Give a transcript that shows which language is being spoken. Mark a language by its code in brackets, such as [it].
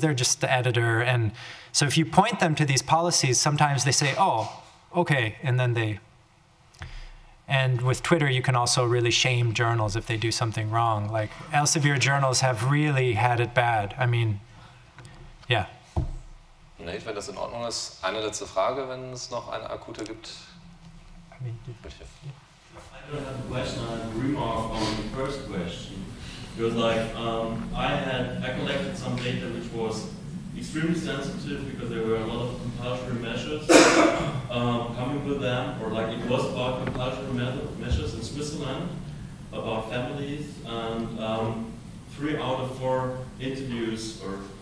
[en] They're just the editor. And so if you point them to these policies, sometimes they say, oh, okay, and then they, and with Twitter, you can also really shame journals if they do something wrong. Like, Elsevier journals have really had it bad. I mean, yeah. [de] Nate, wenn das in Ordnung ist, eine letzte Frage, wenn es noch eine akute gibt. [en] I mean, [de] bitte. [en] I don't have a question, I have a remark on the first question. It was like, I collected some data which was extremely sensitive because there were a lot of compulsory measures coming with them, or like it was about compulsory measures in Switzerland about families, and 3 out of 4 interviews or